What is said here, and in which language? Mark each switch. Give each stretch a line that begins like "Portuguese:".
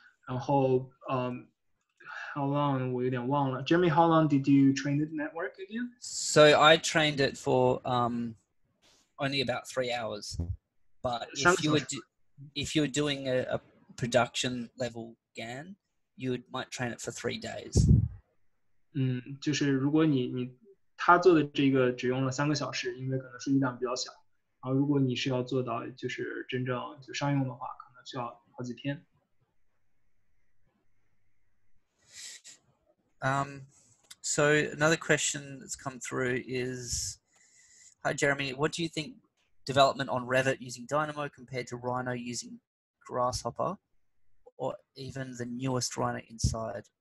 Chinese: 然后
English: how long
Chinese: 我有点忘了
English: ，Jeremy， how long did you train the network again？ So I trained it for only about 3 hours. But if you're doing a production level GAN, you might train it for 3 days.
Chinese: 嗯，就是如果他做的这个只用了三个小时，因为可能数据量比较小。然后如果你是要做到就是真正就商用的话，可能需要好几天。
English: So another question that's come through is, hi Jeremy, what do you think? Development on Revit using Dynamo compared to Rhino using Grasshopper, or even the newest Rhino inside.